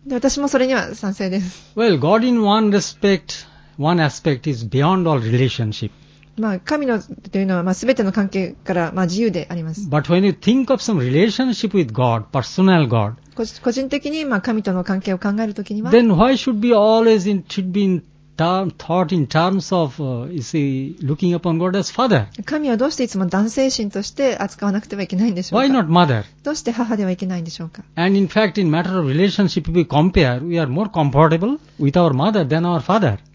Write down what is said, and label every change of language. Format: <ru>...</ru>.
<ja>で、私もそれには賛成です。</ja> <en>Well, God in one respect, one aspect is beyond all relationship.</en> <ja>まあ、神のというのは、まあ、全ての関係から、まあ、自由であります。</ja> <en>But when you think of some relationship with God, personal God,</en> <ja>個人的に神との関係を考えるときには、</ja> <en>Then why should we always thought in terms of, you see, looking upon God as father?</en> <ja>神はどうしていつも男性心として扱わなくてはいけないんでしょうか。</ja> <en>Why not mother?</en> <ja>どうして母ではいけないんでしょうか。</ja> <en>And in fact, in matter of relationship, we compare, we are more comfortable with our mother than our father.</en>